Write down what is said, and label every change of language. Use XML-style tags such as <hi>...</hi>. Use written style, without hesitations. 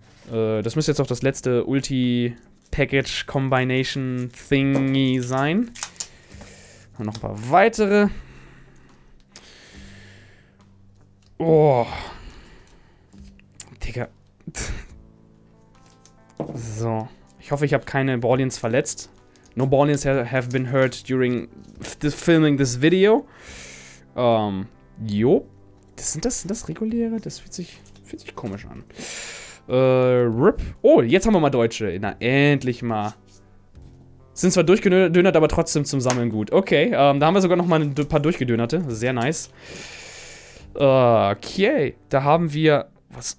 <de>Das müsste jetzt auch das letzte</de> <en>Ulti Package Combination Thingy</en> <de>sein. Und noch ein paar weitere. Oh. Digga. So. Ich hoffe, ich habe keine Borleans verletzt.</de> <en>No Borleans have been hurt during filming this video.</en> <de>Jo. Sind das reguläre? Das fühlt sich komisch an. RIP. Oh, jetzt haben wir mal Deutsche. Na, endlich mal. Sind zwar durchgedönert, aber trotzdem zum Sammeln gut. Okay, da haben wir sogar noch mal ein paar durchgedönerte. Sehr nice. Okay, da haben wir... Was?</de>